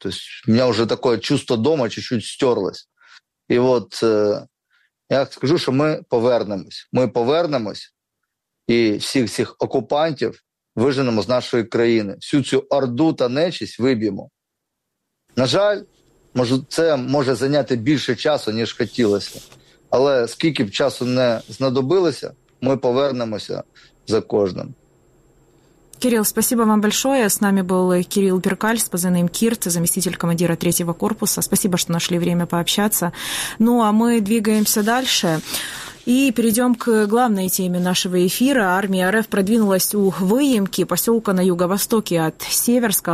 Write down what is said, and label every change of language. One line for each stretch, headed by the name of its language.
Russian: То есть у меня уже такое чувство дома чуть-чуть стерлось. И вот я скажу, что
Ukrainian: мы повернемось. Мы повернемось и всіх окупантів виженемо з нашої країни. Всю цю орду та нечисть виб'ємо. На жаль, це може зайняти більше часу, ніж хотілося. Але скільки б часу не знадобилося, ми повернемося за кожним.
Russian: Кирилл, спасибо вам большое. С нами был Кирилл Перкаль, с позывным Кирт, заместитель командира 3-го корпуса. Спасибо, что нашли время пообщаться. Ну, а мы двигаемся дальше. И перейдем к главной теме нашего эфира. Армия РФ продвинулась у Выемки, поселка на юго-востоке от Северска.